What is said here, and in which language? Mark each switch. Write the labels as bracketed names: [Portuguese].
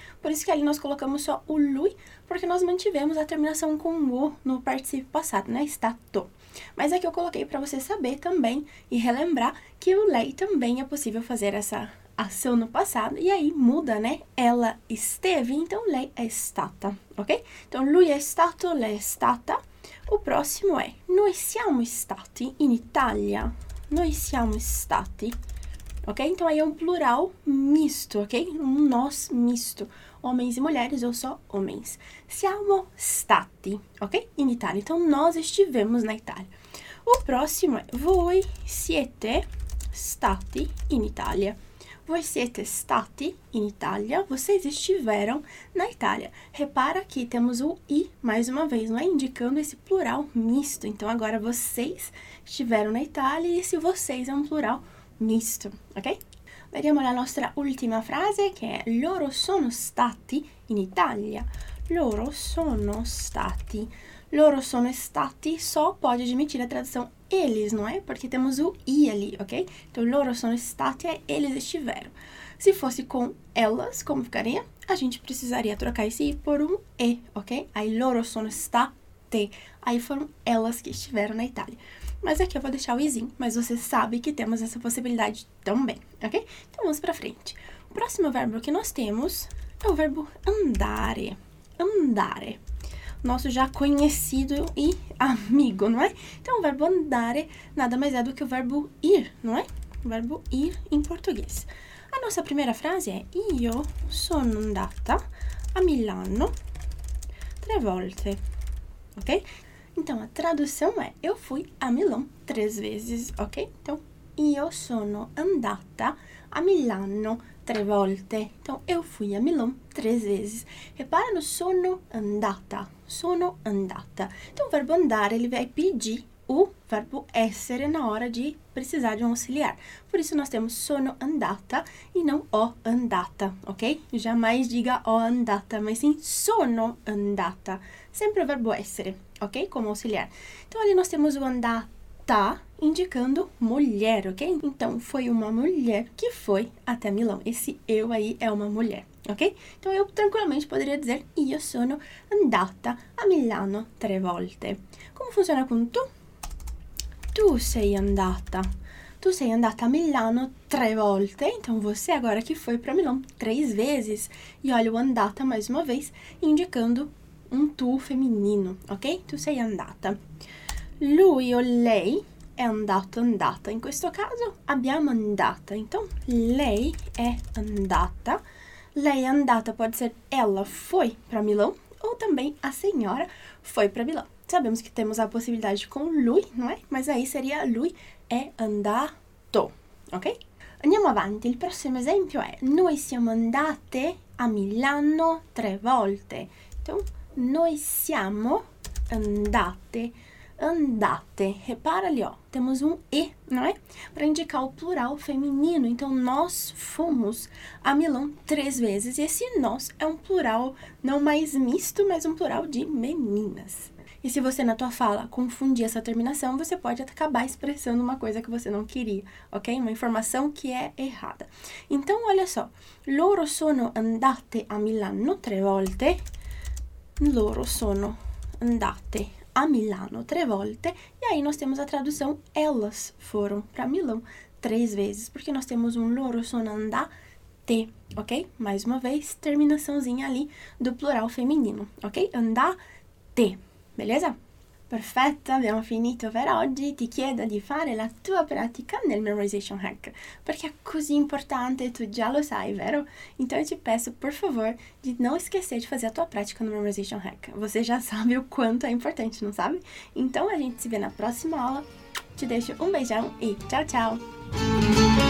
[Portuguese] Por isso que ali nós colocamos só o lui, porque nós mantivemos a terminação com o no particípio passado, né? Stato. Mas aqui eu coloquei para você saber também e relembrar que o lei também é possível fazer essa ação no passado, e aí muda, né? Ela esteve, então [Italian] lei è stata, [Portuguese] ok? [Italian] Então, lui è stato, lei è stata. [Portuguese] O próximo é, [Italian] noi siamo stati in Italia. Noi siamo stati, ok? [Portuguese] Então, aí é um plural misto, ok? Um nós misto, homens e mulheres ou só homens. [Italian] Siamo stati, [Portuguese] ok? [Italian] In Italia, [Portuguese] então nós estivemos na Itália. O próximo é, [Italian] voi siete stati in Italia. Voi siete stati in Italia. [Portuguese] Vocês estiveram na Itália. Repara que temos o i mais uma vez, não é? Indicando esse plural misto. Então, agora vocês estiveram na Itália e esse vocês é um plural misto, ok? [Italian] Vediamo la nostra ultima frase che è loro sono stati in Italia. Loro sono stati. Loro sono stati [Portuguese] só pode admitir a tradução eles, não é? Porque temos o i ali, ok? Então, [Italian] loro sono stati [Portuguese] é eles estiveram. Se fosse com elas, como ficaria? A gente precisaria trocar esse i por um e, ok? Aí, [Italian] loro sono state. [Portuguese] Aí foram elas que estiveram na Itália. Mas aqui eu vou deixar o izinho, mas você sabe que temos essa possibilidade também, ok? Então, vamos para frente. O próximo verbo que nós temos é o verbo andare. Andare. Nosso já conhecido e amigo, não é? Então, o verbo andare nada mais é do que o verbo ir, não é? O verbo ir em português. A nossa primeira frase é [Italian] Io sono andata a Milano 3 volte, [Portuguese] ok? Então, a tradução é Eu fui a Milão 3 vezes, ok? [Italian] Então, Io sono andata a Milano 3 volte. [Portuguese] Então, eu fui a Milão 3 vezes. Repara no [Italian] sono andata. Sono andata. [Portuguese] Então, o verbo andare, ele vai pedir o verbo essere na hora de precisar de um auxiliar. Por isso, nós temos [Italian] sono andata [Portuguese] e não o andata, ok? Jamais diga o andata, mas sim [Italian] sono andata. [Portuguese] Sempre o verbo essere, ok? Como auxiliar. Então, ali nós temos o andata indicando mulher, ok? Então, foi uma mulher que foi até Milão. Esse eu aí é uma mulher, ok? Então, eu tranquilamente poderia dizer [Italian] Io sono andata a Milano 3 volte. [Portuguese] Como funciona com tu? [Italian] Tu sei andata. Tu sei andata a Milano 3 volte, [Portuguese] então você agora que foi para Milão 3 vezes. E olha, eu andata mais uma vez, indicando um tu feminino, ok? [Italian] Tu sei andata. Lui o lei è andato, andata. In questo caso abbiamo andata. Então, lei è andata. Lei è andata, [Portuguese] pode ser ela foi para Milão, ou também a senhora foi para Milão. Sabemos que temos a possibilidade com lui, não é? Mas aí seria [Italian] lui è andato, [Portuguese] ok? [Italian] Andiamo avanti. Il prossimo esempio è: noi siamo andate a Milano 3 volte. Então, noi siamo andate, andate. [Portuguese] Repara ali, ó. Temos um e, não é? Para indicar o plural feminino. Então, nós fomos a Milão 3 vezes. E esse nós é um plural não mais misto, mas um plural de meninas. E se você na tua fala confundir essa terminação, você pode acabar expressando uma coisa que você não queria, ok? Uma informação que é errada. Então, olha só. [Italian] Loro sono andate a Milano 3 volte. Loro sono andate a Milano 3 volte. [Portuguese] E aí nós temos a tradução: elas foram para Milão 3 vezes, porque nós temos um [Italian] loro sono andate, [Portuguese] ok? Mais uma vez, terminaçãozinha ali do plural feminino, ok? Andate. Beleza? [Italian] Perfetto, abbiamo finito per oggi. Ti chiedo di fare la tua pratica nel Memorization Hack, perché è così importante e tu già lo sai, vero? [Portuguese] Então eu te peço, por favor, [Italian] di non [Portuguese] esquecer [Italian] di fare la tua pratica [Portuguese] no Memorization Hack. Você [Italian] già [Portuguese] sabe o quanto [Italian] è importante, non [Portuguese] sabe? Então a gente se vê na [Italian] prossima aula. [Portuguese] Te deixo um beijão e tchau, tchau!